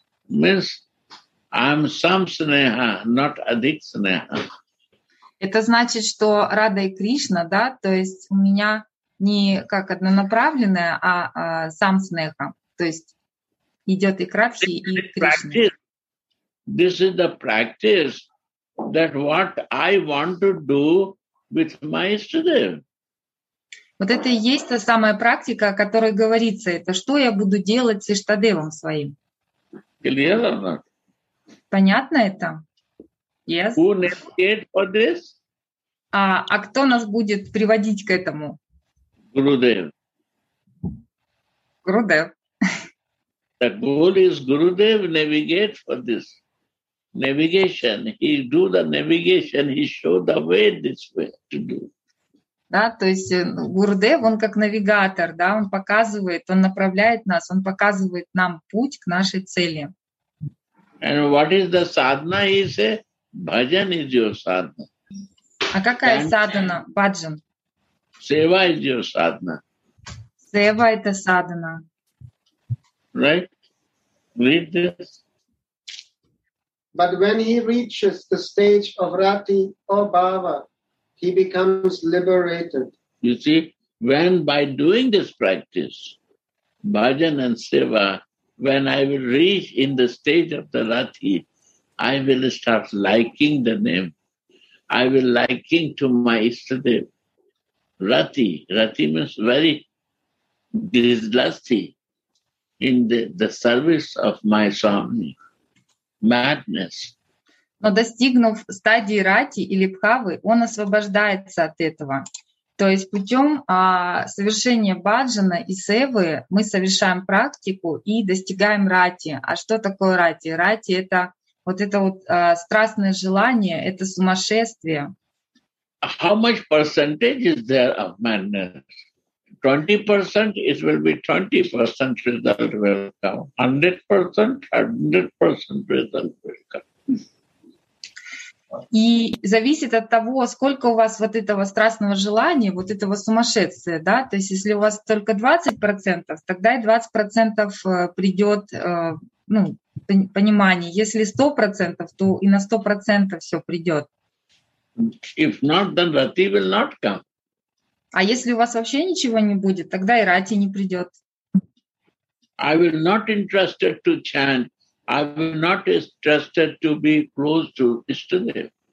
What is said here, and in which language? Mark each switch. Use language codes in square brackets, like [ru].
[en] Means I'm sam sneha, not adhik sneha. [ru] Это значит, что Radha и Krishna, да, то есть у меня не как однонаправленная, а сам снеха. То есть идет и кратхи, и Кришна. [en] This is the practice. That what I want to do with my Ishtadev. [ru] Вот это и есть та самая практика, о которой говорится. Это что я буду делать с Ishtadevом своим? [en] Clear or not? [ru] Понятно это? [en] Yes. Who navigate for this? [ru] А кто нас будет приводить к этому? [en] Gurudev. [ru] Gurudev. [en] The goal is Gurudev navigate for this. Navigation. He do the navigation. He show the way this way to do. [ru] Да, то есть Гурудев, он как навигатор, да, он показывает, он направляет нас, он показывает нам путь к нашей цели. [en] And what is the sadhana? He say, bhajan is your sadhana. [ru] А какая sadhana? Bhajan. [en] Seva is your sadhana. [ru] Seva это sadhana. [en] Right? Read this. But when he reaches the stage of Rati or Bhava, he becomes liberated. You see, when by doing this practice, bhajan and seva, when I will reach in the stage of the Rati, I will start liking the name. I will liking to my Ishtadev. Rati. Rati means very disgusting in the service of my Swami. Madness. [ru] Но достигнув стадии рати или бхавы, он освобождается от этого. То есть путем совершения баджана и севы мы совершаем практику и достигаем рати. А что такое рати? Рати — это вот это вот страстное желание, это сумасшествие. [en] How much percentage is there of madness? 20% it will be 20% result will come. 100% 100% result will come. [ru] И зависит от того, сколько у вас вот этого страстного желания, вот этого сумасшествия, да? То есть если у вас только 20%, тогда и 20% придет, ну, понимание. Если 100%, то и на 100% все придет. [en] If not, then Rati will not come. [ru] А если у вас вообще ничего не будет, тогда и Рати не придет. [en] I will not interested to chant. I will not interested to be close to Ishtadev.